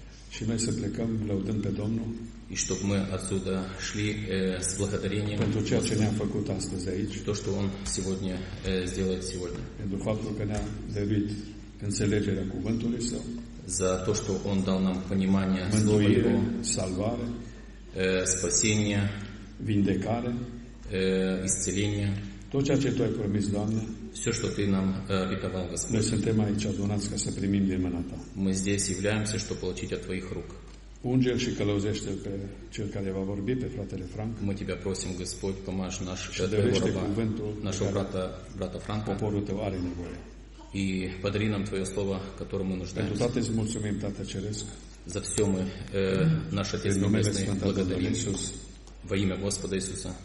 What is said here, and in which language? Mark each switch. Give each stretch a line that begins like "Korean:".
Romanian: Și noi să plecăm, lăudăm pe Domnul.
Russian: И чтобы мы отсюда шли с благодарением.
Romanian: Pentru ceea ce ne-a făcut astăzi aici.
Russian: То, что Он сегодня сделает сегодня.
Romanian: Pentru faptul că ne-a dăruit înțelegerea cuvântului său.
Russian: За то, что он дал нам понимание слова его.
Romanian: Salvare,
Russian: спасение,
Romanian: vindecare,
Russian: исцеление.
Romanian: Tot ceea ce Tu ai promis, Doamne.
Russian: Все, что Ты нам обетовал, Господь.
Romanian: Мы suntem aici adunați ca să primim din mâna Ta.
Russian: Мы здесь являемся, чтобы получить от Твоих рук.
Romanian: Unge-l și călăuzește pe cel care va vorbi, pe fratele Frank.
Russian: Мы Тебя просим, Господь, помажь наш,
Romanian: și dăruiește cuvântul
Russian: нашого брата Франка.
Romanian: Poporul Tău are nevoie.
Russian: И подари нам Твое Слово, которое мы нуждаемся. За все мы, наш Отец Небесный, благодарим. Во имя Господа Иисуса.